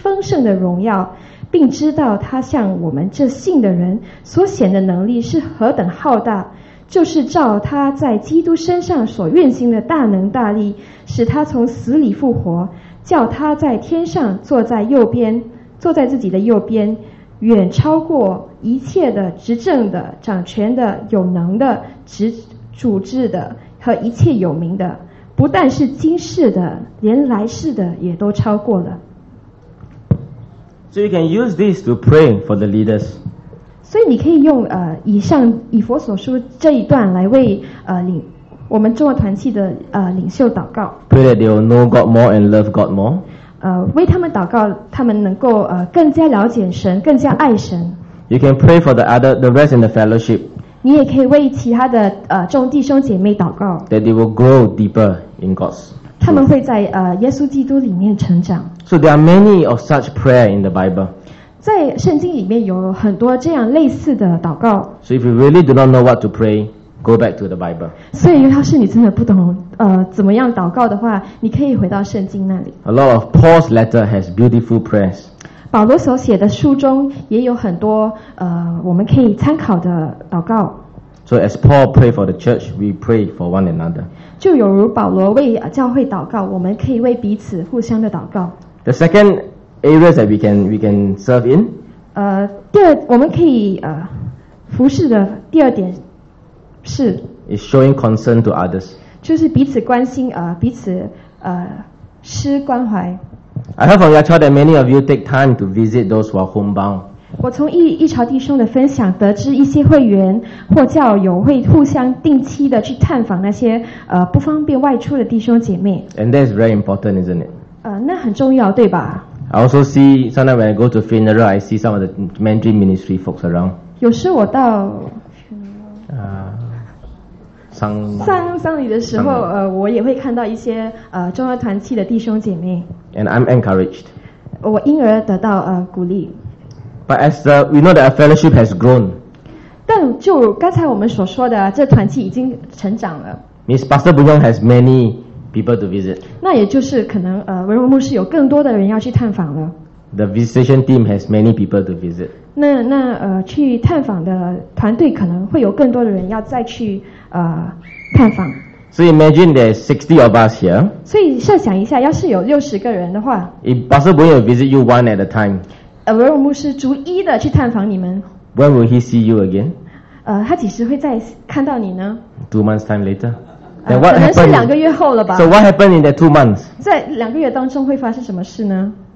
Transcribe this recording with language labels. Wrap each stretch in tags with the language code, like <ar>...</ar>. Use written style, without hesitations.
<zh>盛的荣耀，并知道他向我们这信的人所显的能力是何等浩大，就是照他在基督身上所运行的大能大力，使他从死里复活，叫他在天上坐在自己的右边，远超过一切的执政的、掌权的、有能的、主治的和一切有名的，不但是今世的，连来世的也都超过了。</zh> <en>So you can use this to pray for the leaders.</en> <zh>所以你可以用以上以弗所书这一段来为我们中文团契的领袖祷告。</zh> <en>Pray that they will know God more and love God more。</en> <zh>为他们祷告，他们能够更加了解神，更加爱神。</zh> <en>You can pray for the rest in the fellowship。</en> <zh>你也可以为其他的众弟兄姐妹祷告。</zh> <en>That they will grow deeper in God's。</en> <zh>他们会在耶稣基督里面成长。</zh> <en>So there are many of such prayer in the Bible。</en> <zh>在圣经里面有很多这样类似的祷告。</zh> <en>So if you really do not know what to pray, go back to the Bible.</en> <zh>所以要是你真的不懂怎么样祷告的话，你可以回到圣经那里。</zh> <en>A lot of Paul's letter has beautiful prayers.</en> <zh>保罗所写的书中也有很多我们可以参考的祷告。</zh> <en>So as Paul prayed for the church, we pray for one another.</en> <zh>就有如保罗为教会祷告，我们可以为彼此互相的祷告。</zh> <en>The secondAreas that we can serve in.</en> <zh>第二，我们可以服侍的第二点是</zh> <en>is showing concern to others.</en> <zh>就是彼此关心彼此施关怀。</zh> <en>I heard from Yachal that many of you take time to visit those who are homebound.</en> <zh>我从一朝弟兄的分享得知，一些会员或教友会互相定期的去探访那些不方便外出的弟兄姐妹。</zh> <en>And that is very important, isn't it?</en> <zh>那很重要，对吧？</zh> <en>I also see sometimes when I go to funeral, I see some of the Mandarin ministry folks around.</en> <zh>有时我到丧礼的时候，我也会看到一些中央团契的弟兄姐妹。</zh> <en>And I'm encouraged.</en> <zh>我因而得到鼓励。</zh> <en>But as we know that our fellowship has grown.</en> <zh>但就刚才我们所说的，这团契已经成长了。</zh> <en>Miss Pastor Bunyong has many. People to visit.</en> <zh>那也就是可能文荣牧师有更多的人要去探访了。</zh> <en>The visitation team has many people to visit.</en> <zh>那去探访的团队可能会有更多的人要再去探访。</zh> <en>So imagine there's 60 of us here.</en> <zh>所以设想一下，要是有60个人的话。</zh> <en>If Pastor Boy will visit you one at a time.</en> <zh>文荣牧师逐一的去探访你们。</zh> <en>When will he see you again?</en> <zh>他几时会再看到你呢？</zh> <en>2 months time later. Then what</en> <zh>可能是两个月后了吧。</zh> <en>So what happened in the 2 months?</en> <zh>在两个月当中会发生什么事呢？</zh>